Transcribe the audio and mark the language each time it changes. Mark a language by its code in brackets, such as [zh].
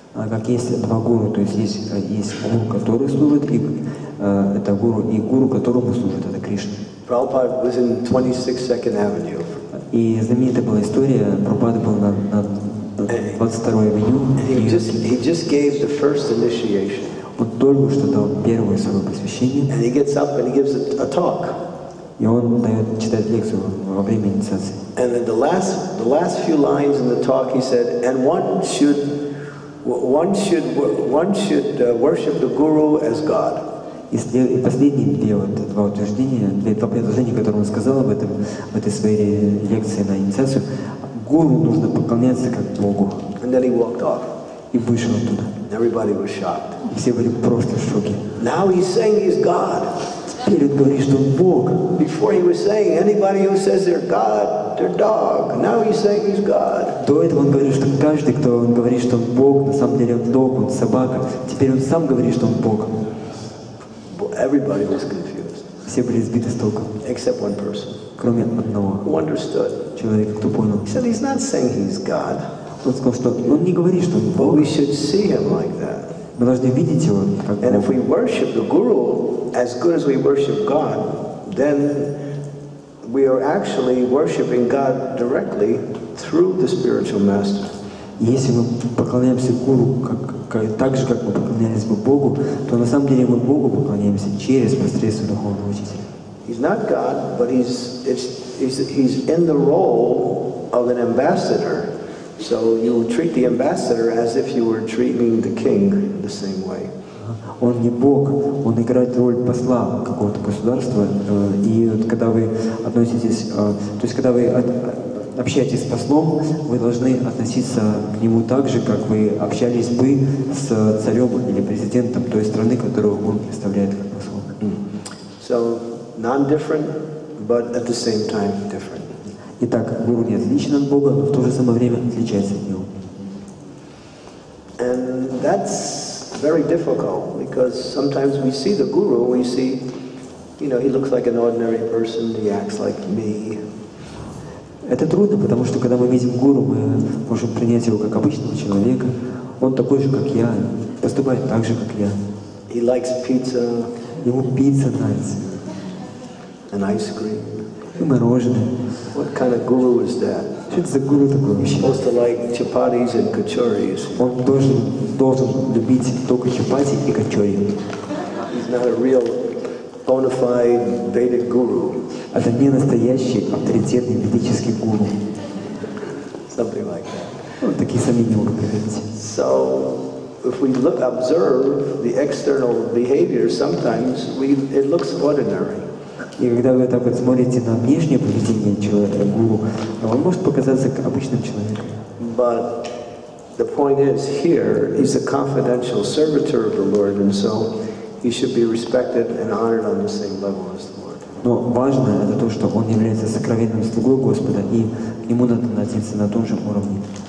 [ru] Как есть два гуру, то есть есть гуру, который служит, и это гуру, и гуру, которому служит, это Кришна. [en] Prabhupada was in 26 Second Avenue. [ru] И знаменитая была история, Прабхупада был на 22-й авеню. [en] He just gave the first initiation. [ru] Он только что дал первое свое посвящение. [en] And he gets up and he gives a talk. [ru] И он дает читать лекцию во время инициации. [en] And then the last few lines in the talk, he said, and one should worship the guru as God. [ru] И последние два предложения, которые он сказал об этом в этой своей лекции на инициацию, гуру нужно поклоняться как Богу. [en] And then he walked off. [ru] И вышел оттуда. [en] Everybody was shocked. [ru] И все были просто в шоке. [en] Now he's saying he's God. [ru] Теперь он говорит, что он Бог. [en] Before he was saying anybody who says they're God. Their dog. Now he's saying he's God. [ru] До этого он говорил, что каждый, кто он говорит, что он Бог, на самом деле он дог, он собака. Теперь он сам говорит, что он Бог. [en] Everybody was confused. [ru] Все были сбиты с толку. [en] Except one person. [ru] Кроме одного. [en] Who understood? [ru] Человек, кто понял. [en] He said he's not saying he's God. [ru] Он сказал, что он не говорит, что он Бог. [en] We should see him like that. [ru] Мы должны видеть его как Бога. [en] And if we worship the Guru as good as we worship God, then we are actually worshiping God directly through the spiritual master. [ru] Если мы поклоняемся Гуру так же, как мы поклонялись бы Богу, то на самом деле мы Богу поклоняемся через посредство духовного учителя. [en] He's not God, but he's in the role of an ambassador. So you treat the ambassador as if you were treating the king the same way. [ru] Он не Бог, он играет роль посла какого-то государства. И вот когда вы относитесь, то есть когда вы общаетесь с послом, вы должны относиться к нему так же, как вы общались бы с царем или президентом той страны, которую он представляет как посла. [en] So, non-different, but at the same time different. [ru] Итак, гуру не отличен от Бога, но в то же самое время отличается от него. [en] And that's very difficult because sometimes we see the guru, we see, you know, he looks like an ordinary person, he acts like me. [ru] Это трудно, потому что когда мы видим гуру, мы можем принять его как обычного человека. Он такой же, как я, поступает так же, как я. [en] He likes pizza. [ru] Ему пицца нравится. [en] And ice cream. [ru] И мороженое. [en] What kind of guru is that? [ru] Что это за гуру такой вообще? [en] He's supposed to like chapatis and kachoris. [ru] Он должен любить только чапати и качори. [en] He's not a real bona fide Vedic guru. [ru] Это не настоящий авторитетный ведический гуру. [en] Something like that. [ru] Вот такие сомнения могут приходить. [en] So, if we look, observe the external behavior, sometimes it looks ordinary. [ru] И когда вы так вот смотрите на внешнее поведение человека, гуру, он может показаться обычным человеком. [en] But the point is here, he's a confidential servitor of the Lord, and so he should be respected and honored on the same level as the Lord. [ru] Но важно это то, что он является сокровенным слугой Господа, и к нему надо относиться на том же уровне.